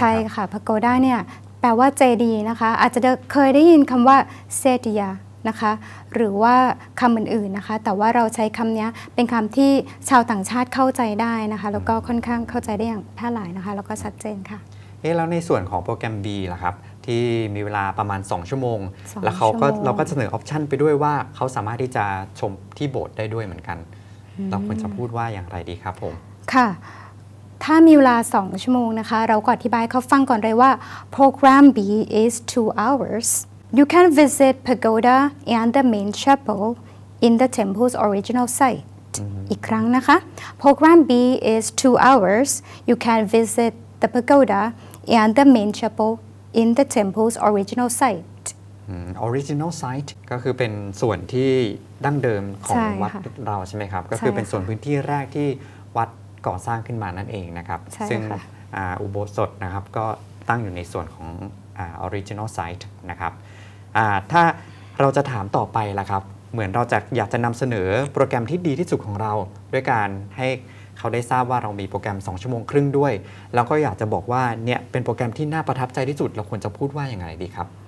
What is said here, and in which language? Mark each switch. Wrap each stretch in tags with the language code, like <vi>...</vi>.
<th>ใช่ค่ะพาโกด้าเนี่ยแปลว่า JD นะคะอาจจะเคยได้ยินคำว่าเซติยานะคะหรือว่าคำอื่นๆนะคะแต่ว่าเราใช้คำนี้เป็นคำที่ชาวต่างชาติเข้าใจได้นะคะแล้วก็ค่อนข้างเข้าใจได้อย่างแพร่หลายนะคะแล้วก็ชัดเจนค่ะ เอ๊ะแล้วในส่วนของโปรแกรม B ล่ะครับที่มีเวลาประมาณ2ชั่วโมงแล้วเราก็เสนอออปชันไปด้วยว่าเขาสามารถที่จะชมที่โบสถ์ได้ด้วยเหมือนกันเราควรจะพูดว่าอย่างไรดีครับผม ค่ะถ้ามีเวลา2ชั่วโมงนะคะเราก็อธิบายเขาฟังก่อนเลยว่า</th> <en>Program B is 2 hours You can visit Pagoda and the Main Chapel in the temple's original site</en> <th>อีกครั้งนะคะ</th> <en>Program B is 2 hours You can visit the Pagoda and the Main Chapel in the temple's original site</en> <th>Original site ก็คือเป็นส่วนที่ดั้งเดิมของวัดเราใช่ไหมครับก็คือเป็นส่วนพื้นที่แรกที่วัดก่อสร้างขึ้นมานั่นเองนะครับซึ่ ง อุโบสถนะครับก็ตั้งอยู่ในส่วนของoriginal site นะครับถ้าเราจะถามต่อไปล่ะครับเหมือนเราจะอยากจะนำเสนอโปรแกรมที่ดีที่สุดของเราด้วยการให้เขาได้ทราบว่าเรามีโปรแกรม2ชั่วโมงครึ่งด้วยแล้วก็อยากจะบอกว่าเนี่ยเป็นโปรแกรมที่น่าประทับใจที่สุดเราควรจะพูดว่าอย่างไรดีครับ</th>